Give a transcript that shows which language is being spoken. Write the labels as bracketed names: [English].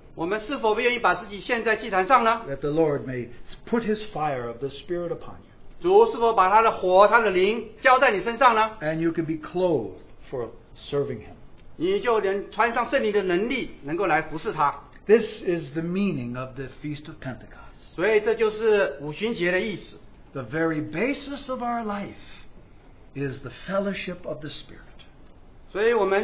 [Chinese] 我们是否愿意把自己献在祭坛上呢？ [English] That the Lord may put His fire of the Spirit upon you. [Chinese] 主是否把他的火，他的灵浇在你身上呢？ [English] And you can be clothed for serving Him. [Chinese] 你就能穿上圣灵的能力，能够来服侍他。 [English] This is the meaning of the Feast of Pentecost. [Chinese] 所以这就是五旬节的意思。 [English] The very basis of our life is the fellowship of the Spirit.